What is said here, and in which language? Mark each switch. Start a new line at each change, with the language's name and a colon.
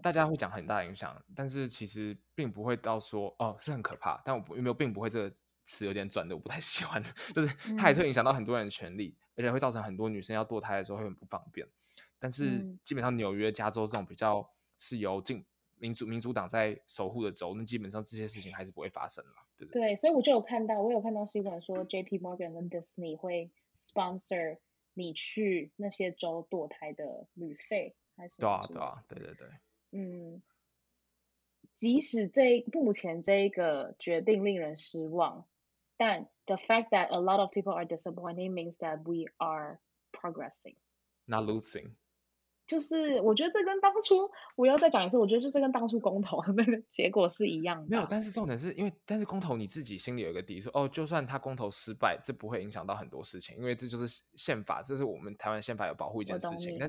Chinese: 大家会讲很大的影响，但是其实并不会到说哦是很可怕，但我有没有并不会这个词有点转的我不太喜欢，就是它也会影响到很多人的权利、而且会造成很多女生要堕胎的时候会很不方便，但是基本上纽约加州这种比较是由民主党在守护的州，那基本上这些事情还是不会发生了，对不对？对，所以我有看到新闻说 JP Morgan 跟 Disney 会 sponsor 你去那些州堕胎的旅费，还是对啊对啊对对对，即使这目前这一个决定令人失望，但
English: the fact that a lot of people are disappointing means that we are progressing not losing，
Chinese: 就是我觉得这跟当初我要再讲一次，我觉得就是跟当初公投的结果是一样的。没有，但是重点是因为，但是公投你自己心里有一个底，说哦，就算他公投失败，这不会影响到很多事情，因为这就是宪法，这是我们台湾宪法有保护一件事情。